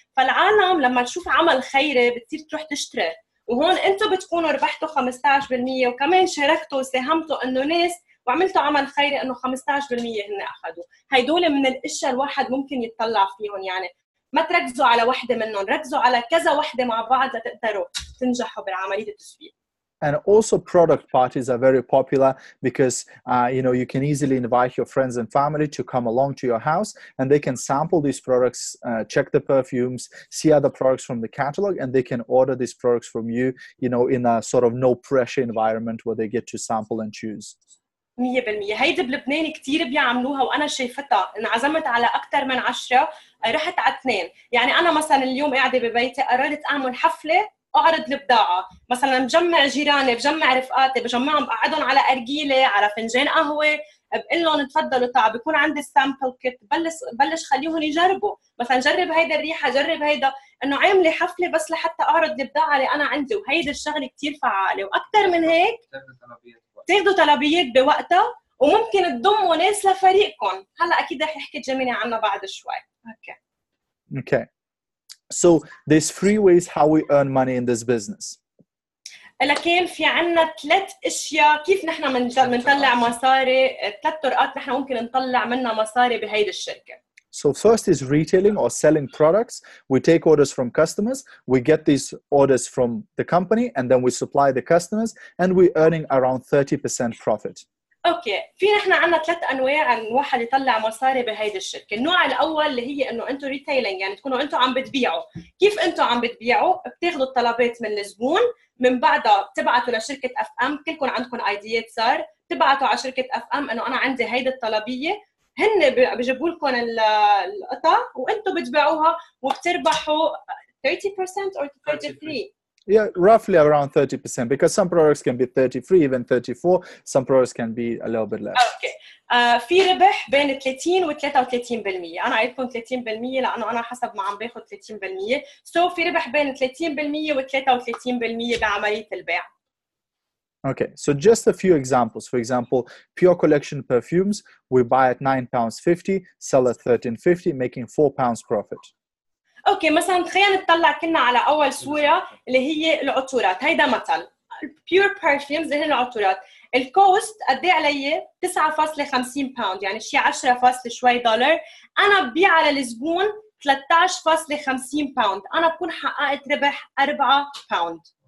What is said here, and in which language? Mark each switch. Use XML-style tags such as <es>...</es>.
<ar>فالعالم لما تشوف عمل خيري بتصير تروح تشتري، وهون انتو بتكونوا ربحتوا 15% وكمان شاركتوا وساهمتوا انه ناس وعملتوا عمل خيري انه 15% هن اخذوا. هيدول من الاشياء الواحد ممكن يتطلع فيهم، يعني ما تركزوا على واحدة منهم، ركزوا على كذا واحدة مع بعض لتقدروا تنجحوا بعملية التسويق.</ar> <en>And also product parties are very popular because, you know, you can easily invite your friends and family to come along to your house and they can sample these products, check the perfumes, see other products from the catalog, and they can order these products from you, you know, in a sort of no pressure environment where they get to sample and choose.</en> <ar>100%. هيدي بلبنان كتير بيعملوها وأنا شايفتها. انعزمت على أكتر من 10، رحت على 2. يعني أنا مثلا اليوم قاعدة ببيتي قررت أعمل حفلة أعرض البضاعة، مثلاً بجمع جيراني، بجمع رفقاتي، بجمعهم بقعدهم على أرجيلة، على فنجان قهوة، بقول لهم تفضلوا تعا، بكون عندي السامبل كيت، بلش خليهم يجربوا، مثلاً جرب هيدا الريحة، جرب هيدا، إنه عاملة حفلة بس لحتى أعرض البضاعة اللي أنا عندي، وهيدا الشغل كتير فعالة، وأكتر من هيك، تاخذوا طلبيات بوقتها، وممكن تضموا ناس لفريقكم. هلا أكيد رح يحكي جيميني عنها بعد شوي. أوكي.</ar> <en>So there's three ways how we earn money in this business.</en> <ar>لكن في عنا ثلاث اشياء كيف نحن بنطلع مصاري، ثلاث طرقات نحن ممكن نطلع منها مصاري بهيدي الشركه.</ar> <en>So first is retailing or selling products. We take orders from customers, we get these orders from the company and then we supply the customers and we earning around 30% profit.</en> <ar>اوكي، في نحن عندنا ثلاث انواع عن واحد يطلع مصاري بهيدي الشركه. النوع الاول اللي هي انه انتم ريتيلينج، يعني تكونوا انتم عم بتبيعوا. كيف انتم عم بتبيعوا؟ بتاخذوا الطلبات من الزبون، من بعدها بتبعتوا لشركه اف ام، كلكم عندكم ايديات صار، بتبعتوا على شركه اف ام انه انا عندي هيدي الطلبيه، هن بجيبوا لكم القطع وانتم بتبيعوها وبتربحوا 30%</ar> <en>or 33%. Yeah, roughly around 30%, because some products can be 33, even 34. Some products can be a little bit less.</en> <ar>Okay. في ربح بين 30% و33%. أنا عايزكم 30% لأنه أنا حسب ما عم باخد 30%. So في ربح بين 30% و33% بعملية البيع.</ar> <en>Okay, so just a few examples. For example, Pure Collection perfumes, we buy at £9.50, sell at £13.50, making £4 profit.</en> <ar>اوكي، مثلا تخيل نطلع كنا على اول صوره اللي هي العطورات. هيدا مثل البيور بيرفيومز اللي هي العطورات. الكوست قد ايه علي؟ 9.50 باوند، يعني شيء 10 فاصل شوي دولار. انا ببيع على الزبون 13.50 باوند، انا بكون حققت ربح 4 باوند.</ar>